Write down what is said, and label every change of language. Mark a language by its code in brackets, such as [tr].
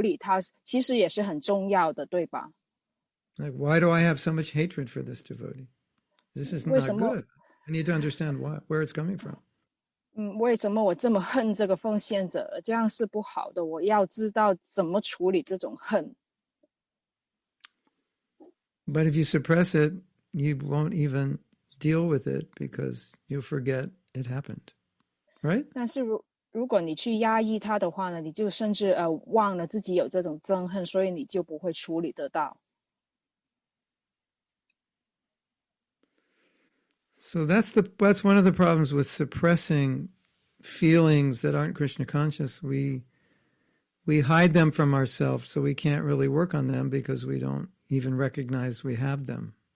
[zh] 但是呢，如果你曾经真的有这种感觉的话了，你要找出为什么你有这种感觉，然后去处理它，其实也是很重要的，对吧？ [en] Like, why do I have so much hatred for this devotee? This is not good. I need to understand why, where it's coming from. [zh] 为什么我这么恨这个奉献者，这样是不好的，我要知道怎么处理这种恨。 [en] But if you suppress it, you won't even deal with it because you forget it happened, right? [zh] 但是如果你去压抑它的话呢，你就甚至忘了自己有这种憎恨，所以你就不会处理得到。 [en] So that's one of the problems with suppressing feelings that aren't Krishna conscious. We hide them from ourselves, so we can't really work on them because we don't even recognize we have them.